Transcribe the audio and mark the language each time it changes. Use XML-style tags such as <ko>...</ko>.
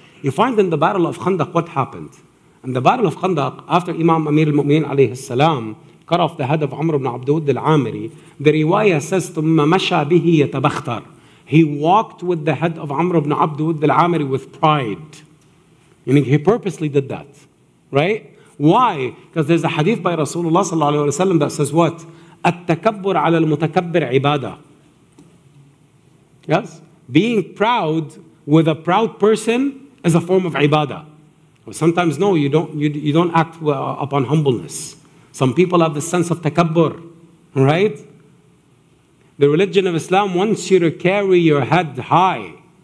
<en>You find in the Battle of Khandaq what happened. In the Battle of Khandaq, after Imam Amir al-Mu'minin alayhi salam cut off the head of Amr ibn Abdud al-Amiri, the riwayah says,</en> <ar>ثُمَّ مَشَى بِهِ يَتَبَخْتَرْ.</ar> <en>He walked with the head of Amr ibn Abdud al-Amiri with pride. Meaning he purposely did that. Right? Why? Because there's a hadith by Rasulullah sallallahu alayhi wa sallam that says what?</en> <ar>التَكَبُّرْ عَلَى الْمُتَكَبِّرْ عِبَادَةً.</ar> <en>Yes? Being proud with a proud person is a form of ibadah. Well, sometimes, no, you don't act upon humbleness. Some people have the sense of takabbur, right? The religion of Islam wants you to carry your head high.</en>